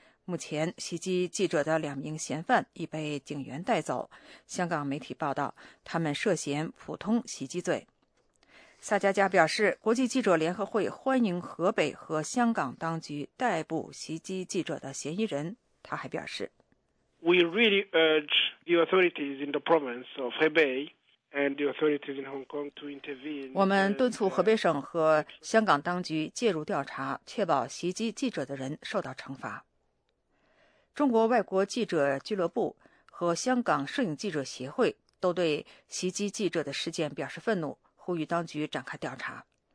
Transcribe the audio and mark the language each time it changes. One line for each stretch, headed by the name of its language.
Chinese: 目前袭击记者的两名嫌犯已被警员带走，香港媒体报道他们涉嫌普通袭击罪。萨加加表示，国际记者联合会欢迎河北和香港当局逮捕袭击记者的嫌疑人。他还表示
English: We really urge the authorities in the province of Hebei and the authorities in Hong Kong to intervene.
Chinese: 我们敦促河北省和香港当局介入调查，确保袭击记者的人受到惩罚。中国外国记者俱乐部和香港摄影记者协会都对袭击记者的事件表示愤怒，呼吁当局展开调查。